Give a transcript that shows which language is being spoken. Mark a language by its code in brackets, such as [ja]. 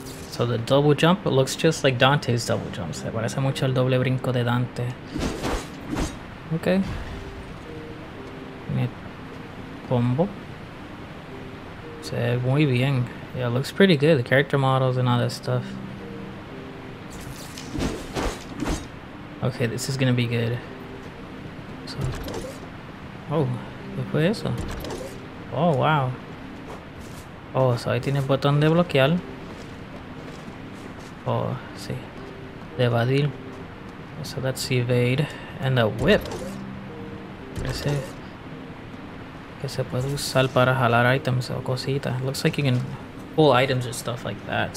[en] So the double jump looks just like Dante's double jump. [es] Se parece mucho al doble brinco de Dante. Okay. Mi combo. Se ve muy bien. [en] Yeah, it looks pretty good. The character models and all that stuff. Okay, this is gonna be good. [es] Oh, ¿qué fue eso? Oh, wow. Oh, so ahí tiene el botón de bloquear. Oh, sí. De evadir. [en] So that's evade. And the whip. Ese. [es] Que se puede usar para jalar items o cositas. [en] Looks like you can pull items and stuff like that.